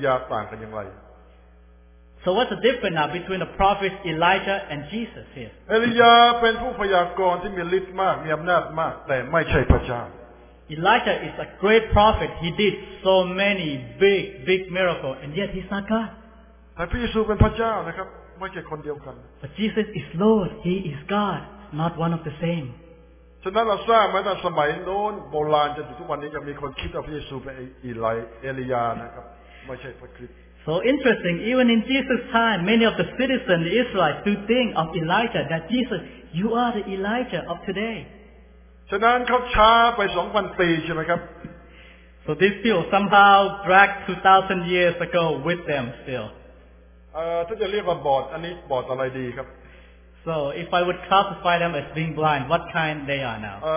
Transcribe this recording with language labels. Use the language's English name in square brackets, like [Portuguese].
[English] So what's the difference now between the prophet Elijah and Jesus here? [Thai] Elijah เป็นผู้พยากรณ์ที่มีฤทธิ์มากมีอำนาจมากแต่ไม่ใช่พระเจ้า [English] Elijah is a great prophet. He did so many big miracles, and yet he's not God. [Thai] แต่พระเยซูเป็นพระเจ้านะครับไม่ใช่คนเดียวกัน [English] But Jesus is Lord. He is God, not one of the same. [Thai] ฉะนั้นเราทราบไหมในสมัยโน้นโบราณจนถึงทุกวันนี้ยังมีคนคิดว่าพระเยซูเป็นเอลียาห์นะครับไม่ใช่พระคริสต์ [English] So interesting, even in Jesus' time, many of the citizens, the Israelites, do think of Elijah, that Jesus, you are the Elijah of today. [Thai] ฉะนั้นเขาช้าไป 2,000 ปีใช่ไหมครับ [English] So these people somehow dragged 2,000 years ago with them still. [Thai] ถ้าจะเรียกว่าบอดอันนี้บอดอะไรดีครับ [English] So if I would classify them as being blind, what kind they are now?